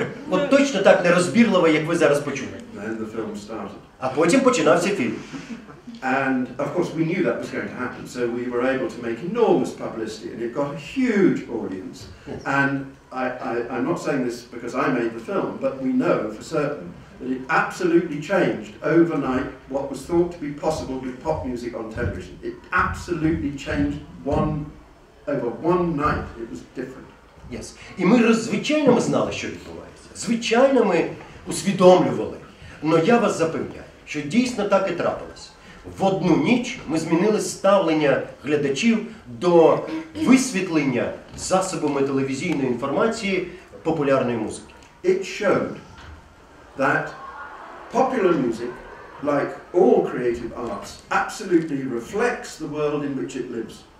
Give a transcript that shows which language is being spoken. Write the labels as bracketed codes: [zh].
[uk] от точно так нерозбірливо, як ви зараз почули. [en] Then the film started. [uk] А потім починався фільм. [en] And of course we knew that was going to happen, so we were able to make enormous publicity and it got a huge audience. Yes. And I'm not saying this because I made the film, but we know for certain that it absolutely changed overnight what was thought to be possible with pop music on television. It absolutely changed over one night, it was different. Yes. [uk] І ми звичайно знали, що відбувається. Звичайно ми усвідомлювали. Но я вас запевняю, що дійсно так і трапилось. В одну ніч ми змінили ставлення глядачів до висвітлення засобами телевізійної інформації популярної музики. [en] It showed that popular music, like all creative arts, absolutely reflects the world in which it lives.